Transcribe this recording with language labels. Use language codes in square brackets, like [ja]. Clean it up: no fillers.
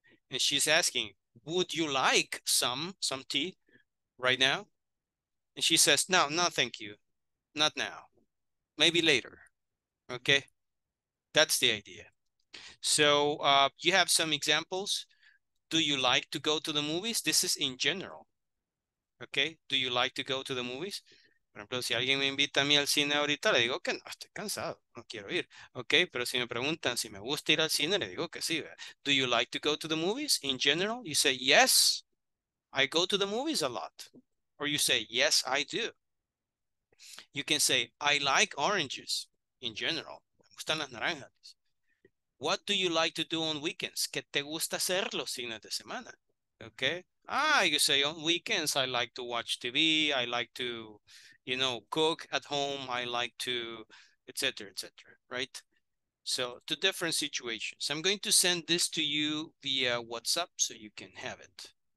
[en] And she's asking, would you like some tea right now? And she says, no, thank you. not now, maybe later, okay? That's the idea. So you have some examples. Do you like to go to the movies? This is in general, okay? Do you like to go to the movies? [es] Por ejemplo, si alguien me invita a mí al cine ahorita, le digo que no, estoy cansado, no quiero ir. Okay, pero si me preguntan si me gusta ir al cine, le digo que sí. [en] Do you like to go to the movies in general? You say, yes, I go to the movies a lot. Or you say, yes, I do. You can say, I like oranges in general. [es] Me gustan las naranjas. [en] What do you like to do on weekends? [es] ¿Qué te gusta hacer los fines de semana? [en] Okay. Ah, you say on weekends, I like to watch TV. I like to, you know, cook at home. I like to, et cetera, et cetera. Right? So two different situations. I'm going to send this to you via WhatsApp so you can have it.